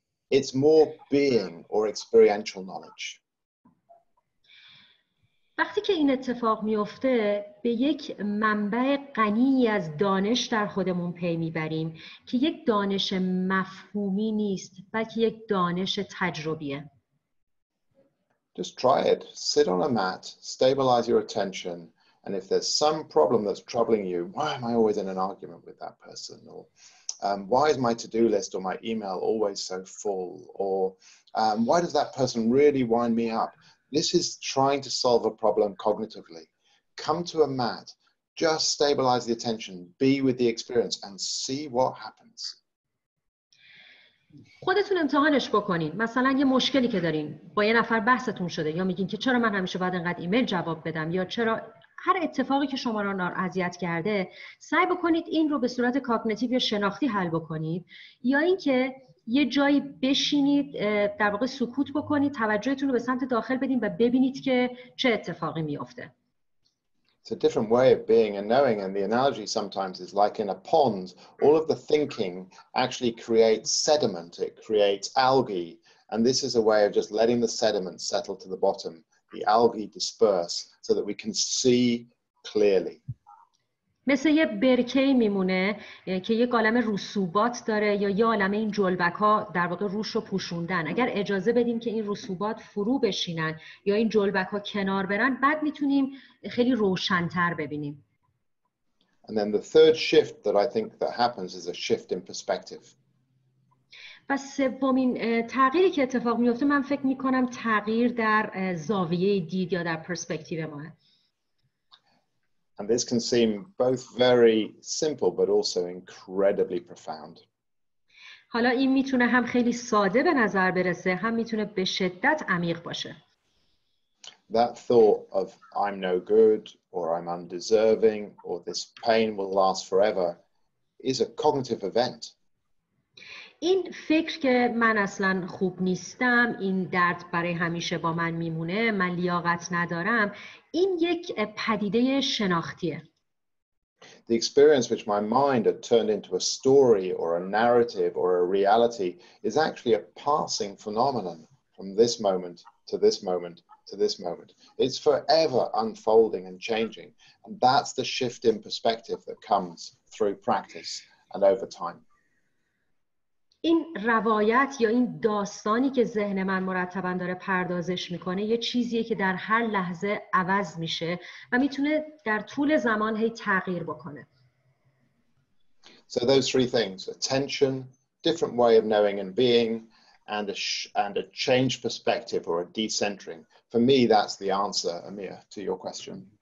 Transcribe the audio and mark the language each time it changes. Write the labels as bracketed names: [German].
[English] It's more being or experiential knowledge. [Persian] وقتی که این اتفاق میفته به یک منبع غنی از دانش در خودمون پی میبریم که یک دانش مفهومی نیست بلکه یک دانش تجربیه. [English] Just try it. Sit on a mat, stabilize your attention, and if there's some problem that's troubling you, why am I always in an argument with that person? Or why is my to-do list or my email always so full? Or why does that person really wind me up? This is trying to solve a problem cognitively. Come to a mat, just stabilize the attention, be with the experience and see what happens. [Persian] خودتون امتحانش بکنین. مثلا یه مشکلی که دارین با یه نفر بحثتون شده یا میگین که چرا من همیشه باید انقدر ایمیل جواب بدم یا چرا هر اتفاقی که شما را اذیت کرده سعی بکنید این رو به صورت کاگنیتیو یا شناختی حل بکنید یا اینکه یه جایی بشینید در واقع سکوت بکنید توجهتون رو به سمت داخل بدین و ببینید که چه اتفاقی میفته. [English] It's a different way of being and knowing, and the analogy sometimes is like in a pond, all of the thinking actually creates sediment, it creates algae, and this is a way of just letting the sediment settle to the bottom. The algae disperse so that we can see clearly. [Persian] مثل یه برکه میمونه که یه عالم رسوبات داره یا یه عالم این جلبک‌ها در واقع روش رو پوشوندن. اگر اجازه بدیم که این رسوبات فرو بشینن یا این جلبک‌ها کنار برن بعد میتونیم خیلی روشن‌تر ببینیم. [English] And then the third shift that I think that happens is a shift in perspective. [Persian] و سومین تغییری که اتفاق میفته من فکر میکنم تغییر در زاویه دید یا در پرسپکتیو ما. [English] And this can seem both very simple but also incredibly profound. [Persian] حالا این میتونه هم خیلی ساده به نظر برسه هم میتونه به شدت عمیق باشه. [English] That thought of I'm no good or I'm undeserving or this pain will last forever is a cognitive event. [Persian] این فکر که من اصلا خوب نیستم، این درد برای همیشه با من میمونه، من لیاقت ندارم، این یک پدیده شناختیه. [English] The experience which my mind had turned into a story or a narrative or a reality is actually a passing phenomenon from this moment to this moment to this moment. It's forever unfolding and changing. And that's the shift in perspective that comes through practice and over time. [Persian] این روایت یا این داستانی که ذهن من مرتبا داره پردازش میکنه یه چیزیه که در هر لحظه عوض میشه و میتونه در طول زمان هی تغییر بکنه. [English] So those three things, attention, different way of knowing and being, and a changed perspective or a decentering. For me, that's the answer, Amir, to your question.